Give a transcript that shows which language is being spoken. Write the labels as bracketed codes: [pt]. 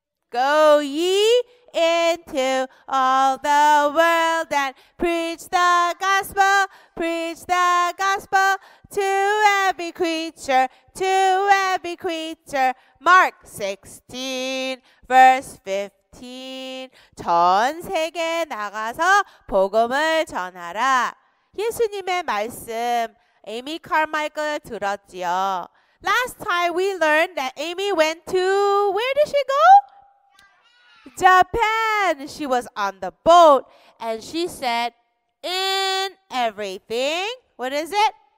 [en] Go ye into all the world and preach the gospel, preach the gospel to every creature, to every creature." Mark 16, verse 15. [ko] 전 세계 나가서 복음을 전하라. 예수님의 말씀, Amy Carmichael 들었지요. [en] Last time we learned that Amy went to, where did she go? Japan. She was on the boat and she said, in everything, what is it?